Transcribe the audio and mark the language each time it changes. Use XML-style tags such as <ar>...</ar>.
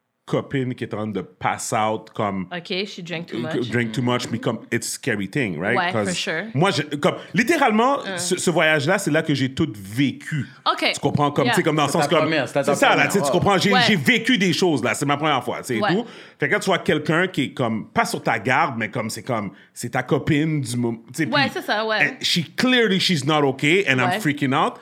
<fr>copine qui est en train de</fr> <en>pass out</en> <fr>comme...</fr> <en>OK, she drank too much. Drank too much,</en> <fr>mais comme,</fr> <en>it's a scary thing, right? Ouais, for sure.</en> <fr>Moi, je, comme, littéralement, ce voyage-là, c'est là que j'ai tout vécu. OK. Tu comprends? Comme, yeah. Tu sais, comme dans le sens comme... C'est ça, là, tu comprends? J'ai vécu des choses, là. C'est ma première fois, c'est tout. Fait que quand tu vois quelqu'un qui est comme, pas sur ta garde, mais comme, c'est ta copine du moment... Ouais, pis, c'est ça, ouais.</fr> <en>She clearly, she's not okay, and I'm freaking out.</en>